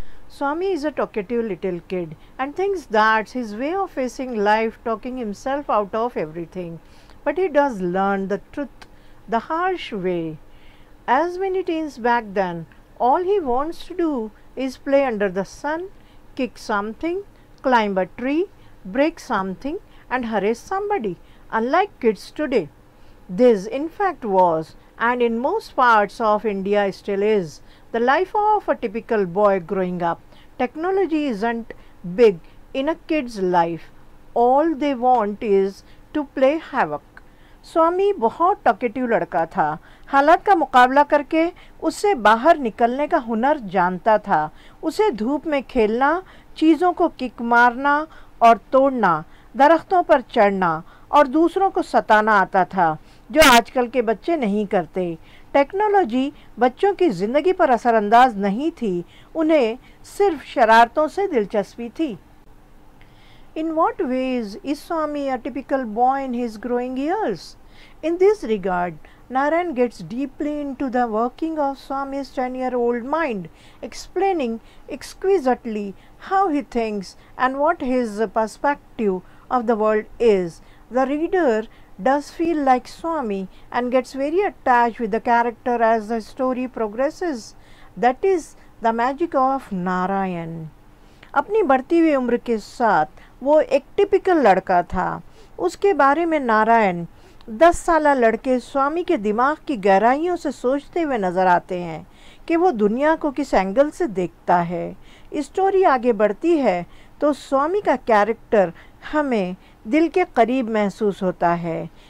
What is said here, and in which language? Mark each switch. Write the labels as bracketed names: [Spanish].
[English] Swami is a talkative little kid and thinks that his way of facing life talking himself out of everything but he does learn the truth the harsh way as many teens back then all he wants to do is play under the sun kick something climb a tree break something and harass somebody, unlike kids today. This in fact was, and in most parts of India still is, the life of a typical boy growing up. Technology isn't big in a kid's life. All they want is to play havoc. [Hindi] Swami bahut talkative ladka tha. Halat ka mukabla karke usse bahar nikalne ka hunar janta tha. Usse dhoop mein khelna, cheezon ko kick marna और तोड़ना, दरख्तों पर चढ़ना और दूसरों को सताना आता था, जो आजकल के बच्चे नहीं करते। टेक्नोलॉजी बच्चों की ज़िंदगी पर असरअंदाज नहीं थी, उन्हें सिर्फ शरारतों से दिलचस्पी थी। [English] In what ways is Swami a typical boy in his growing years? In this regard, Narayan gets deeply into the working of Swami's 10-year-old mind, explaining exquisitely how he thinks and what his perspective of the world is. The reader does feel like Swami and gets very attached with the character as the story progresses. That is the magic of Narayan. [Hindi] अपनी बढ़ती हुई उम्र के साथ वो एक typical लड़का था। उसके बारे में नारायण 10 साल लड़के स्वामी के दिमाग की गहराइयों से सोचते हुए नज़र आते हैं कि वो दुनिया को किस एंगल से देखता है। स्टोरी आगे बढ़ती है तो स्वामी का कैरेक्टर हमें दिल के करीब महसूस होता है।